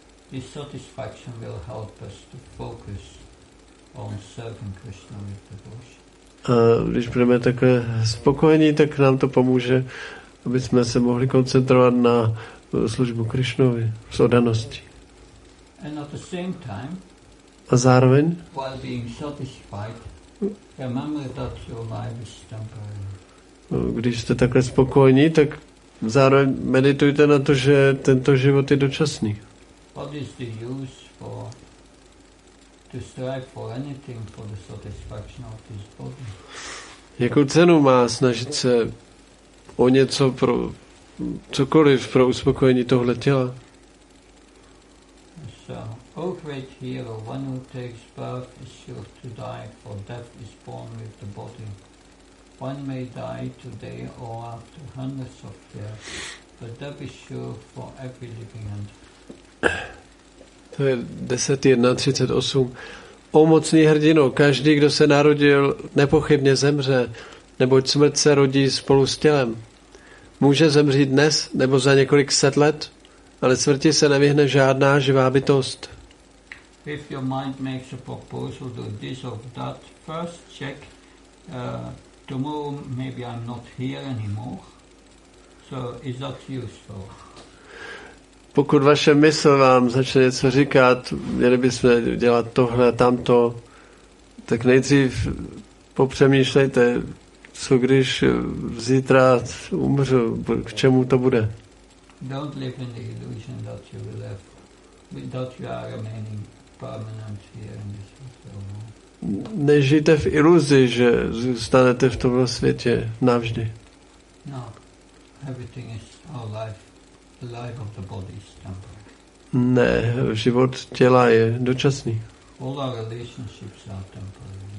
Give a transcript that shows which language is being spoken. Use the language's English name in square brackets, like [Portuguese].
[English] This satisfaction will help us to focus on serving Krishna with devotion. [Czech] A když budeme takhle spokojení, tak nám to pomůže, aby jsme se mohli koncentrovat na službu Krišnovi s oddaností. [English] And at the same time, [Czech] a zároveň, [English] while being satisfied, remember that your life is temporary. [Czech] Když jste takhle spokojení, tak zároveň meditujte na to, že tento život je dočasný. [English] What is the use to strive for anything for the satisfaction of this body? [Czech] Jakou cenu má snažit se o něco pro cokoliv pro uspokojení tohle těla? [English] So, oh great hero, one who takes birth is sure to die, for death is born with the body. One may die today or after hundreds of years, but death is sure for every living entity. [Czech] To je 10.1.38. O mocný hrdino, každý, kdo se narodil, nepochybně zemře, neboť smrt se rodí spolu s tělem. Může zemřít dnes nebo za několik set let, ale smrti se nevyhne žádná živá bytost. [English] If your mind makes a proposal to this or that, first check, tomorrow maybe I'm not here anymore, so is that useful? [Czech] Pokud vaše mysl vám začne něco říkat, měli bychom dělat tohle a tamto, tak nejdřív popřemýšlejte, co když zítra umřu, k čemu to bude. [English] Don't live in the illusion that you will live, that you are remaining permanent here in this world. [Czech] Nežijte v iluzi, že zůstanete v tomhle světě navždy. [English] No, everything is our life. Life of the body is temporary. [Czech] Ne, život těla je dočasný. [English] All our relationships are temporary.